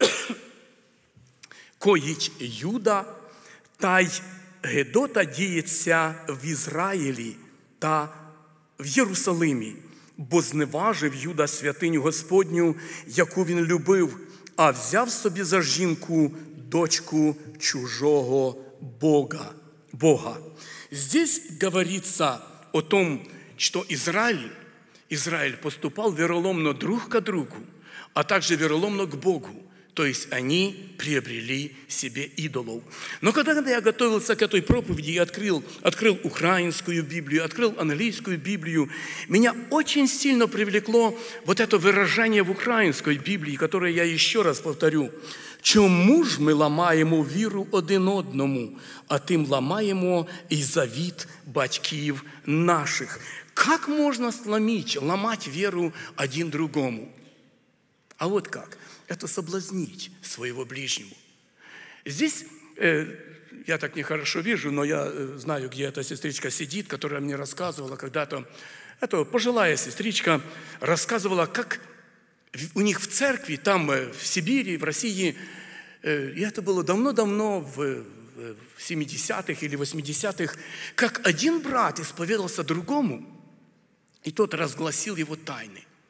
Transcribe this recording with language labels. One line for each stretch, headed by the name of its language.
Ukrainian: Віроломність коїть Юда, та й гидота діється в Ізраїлі та в Єрусалимі, бо зневажив Юда святиню Господню, яку він любив, а взяв собі за жінку дочку чужого Бога.
Russian: Здесь говорится о том, что Израиль поступал вероломно друг к другу, а также вероломно к Богу, то есть они приобрели себе идолов. Но когда я готовился к этой проповеди, я открыл украинскую Библию, открыл английскую Библию, меня очень сильно привлекло вот это выражение в украинской Библии, которое я еще раз повторю.
Ukrainian: «Чому ж ми ламаємо віру один одному, а тим ламаємо і завіт батьків наших?»
Russian: Как можно ламать веру один другому? А вот как? Это соблазнить своего ближнего. Здесь, я так нехорошо вижу, но я знаю, где эта сестричка сидит, которая мне рассказывала когда-то, эта пожилая сестричка рассказывала, как у них в церкви, там в Сибири, в России, и это было давно-давно, в 70-х или 80-х, как один брат исповедался другому, и тот разгласил его тайны.